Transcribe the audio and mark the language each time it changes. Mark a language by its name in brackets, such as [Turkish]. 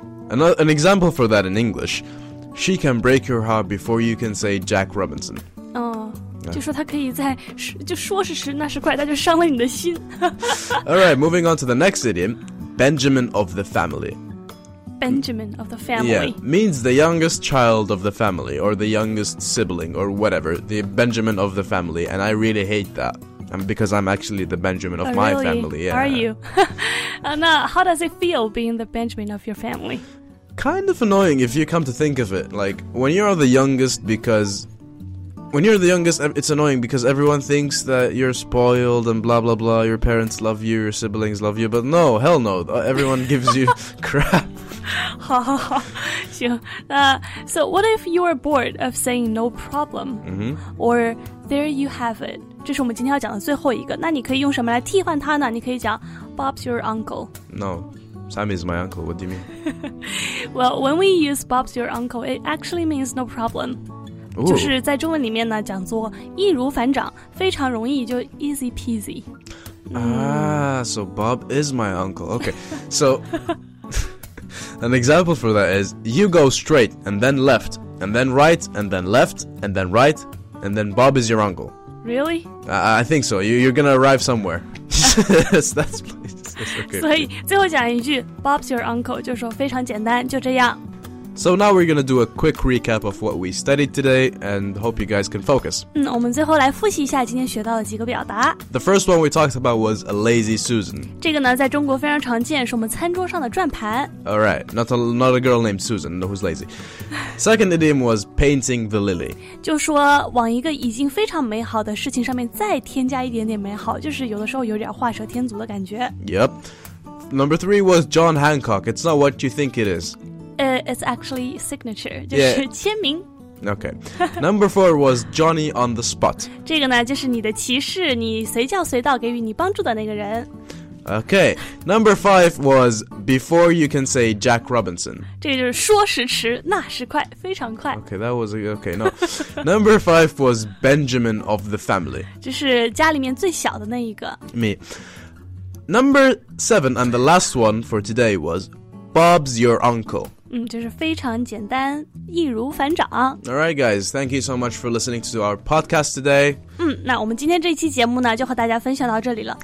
[English] An example for that in English, she can break your heart before you can say Jack Robinson. [Chinese] 就说她可以在就说时迟，那时快，她就伤了你的心。 [English] All right, moving on to the next idiom, Benjamin of the family. Benjamin of the family. Yeah, means the youngest child of the family, or the youngest sibling, or whatever. The Benjamin of the family, and I really hate that. Because I'm actually the Benjamin of my family. Yeah. Are you? how does it feel being the Benjamin of your family? Kind of annoying if you come to think of it. Like, when you're the youngest, when you're the youngest, it's annoying because everyone thinks that you're spoiled and blah blah blah, your parents love you, your siblings love you, but no, hell no, everyone gives you crap. [Chinese] 好好好，行。 [English] So what if you are bored of saying no problem? Or there you have it. [Chinese] 这是我们今天要讲的最后一个。那你可以用什么来替换它呢？你可以讲 [English] Bob's your uncle. No. Sam is my uncle. What do you mean? Well, when we use Bob's your uncle, it actually means no problem. Ooh. [Chinese] 就是在中文里面呢，讲做易如反掌，非常容易，就 [English] easy peasy. So Bob is my uncle. Okay, so an example for that is you go straight and then left and then right and then left and then right and then Bob is your uncle. Really? I think so. You're gonna arrive somewhere. That's okay. [Chinese] 所以最后讲一句 [English] Bob's your uncle, [Chinese] 就说非常简单，就这样。 [English] So now we're going to do a quick recap of what we studied today and hope you guys can focus. [Chinese] 嗯，我们最后来复习一下今天学到的几个表达。 [English] The first one we talked about was a lazy Susan. [Chinese] 这个呢在中国非常常见，是我们餐桌上的转盘。 [English] All right, not a girl named Susan, no, who's lazy. Second idiom was painting the lily. [Chinese] 就说往一个已经非常美好的事情上面再添加一点点美好，就是有的时候有点画蛇添足的感觉。 [English] Yep. Number three was John Hancock. It's not what you think it is. It's actually signature, [Chinese] 就是签名。 [English] Okay. Number four was Johnny on the spot. [Chinese] 这个呢就是你的骑士，你随叫随到给予你帮助的那个人。 [English] Okay. Number five was before you can say Jack Robinson. [Chinese] 这个就是说时迟那时快，非常快。 [English] Okay, that was okay, no. Number five was Benjamin of the family. [Chinese] 就是家里面最小的那一个。 [English] Me. Number seven and the last one for today was Bob's your uncle. [Chinese] 就是非常简单，易如反掌。 [English] Alright guys, thank you so much for listening to our podcast today. [Chinese] 那我们今天这期节目呢就和大家分享到这里了。